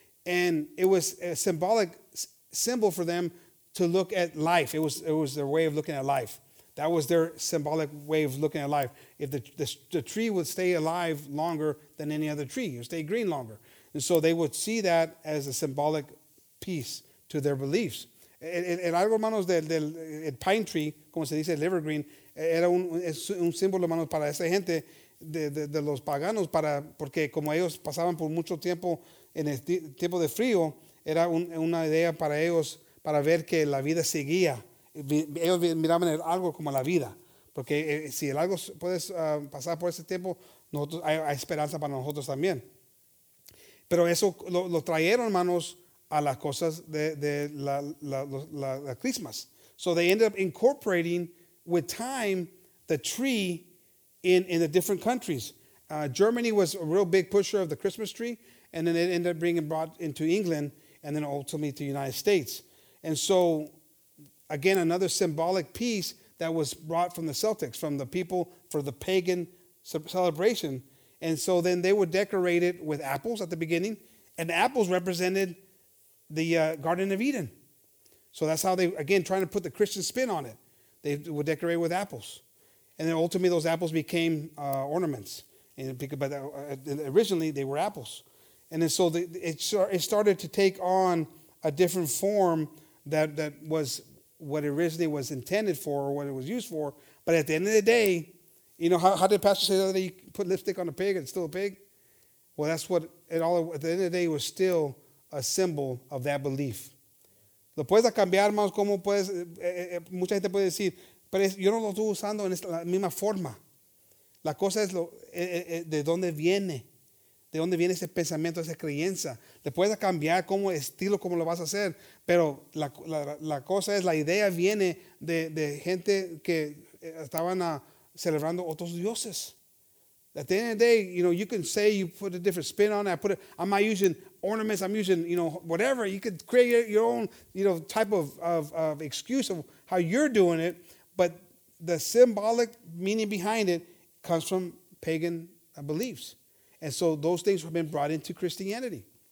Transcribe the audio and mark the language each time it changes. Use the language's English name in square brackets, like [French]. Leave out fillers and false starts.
[English] And it was a symbolic symbol for them to look at life. It was their way of looking at life. That was their symbolic way of looking at life. If the tree would stay alive longer than any other tree, it would stay green longer. And so they would see that as a symbolic piece to their beliefs. [Spanish] El árbol, hermanos, del pine tree, como se dice, el evergreen, era un símbolo, hermanos, para esa gente de los paganos, porque como ellos pasaban por mucho tiempo en el tiempo de frío, era una idea para ellos, para ver que la vida seguía. Ellos miraban el árbol como la vida, porque si el árbol puede pasar por ese tiempo, nosotros, hay esperanza para nosotros también. Pero eso lo trajeron, hermanos, a las cosas de la Christmas. [English] So they ended up incorporating with time the tree in the different countries. Germany was a real big pusher of the Christmas tree. And then it ended up brought into England, and then ultimately to the United States. And so, again, another symbolic piece that was brought from the Celtics, from the people, for the pagan celebration. And so then they would decorate it with apples at the beginning, and the apples represented the Garden of Eden. So that's how they, again, trying to put the Christian spin on it. They would decorate it with apples. And then ultimately those apples became ornaments. Originally they were apples. And then so it started to take on a different form that was what originally was intended for, or what it was used for. But at the end of the day, you know, how did Pastor say the other day, you put lipstick on a pig and it's still a pig? Well, that's what it all, at the end of the day, was still a symbol of that belief. [Spanish] Lo puedes cambiar, hermanos, como puedes, mucha gente puede decir, pero yo no lo estoy usando en la misma forma. La cosa es de dónde viene. ¿De dónde viene ese pensamiento, esa creencia? Te puedes cambiar como estilo, como lo vas a hacer, pero la cosa es, la idea viene de gente que estaban celebrando otros dioses. [English] At the end of the day, you know, you can say you put a different spin on it. I'm not using ornaments, I'm using, you know, whatever. You could create your own, you know, type of excuse of how you're doing it, but the symbolic meaning behind it comes from pagan beliefs. And so those things have been brought into Christianity.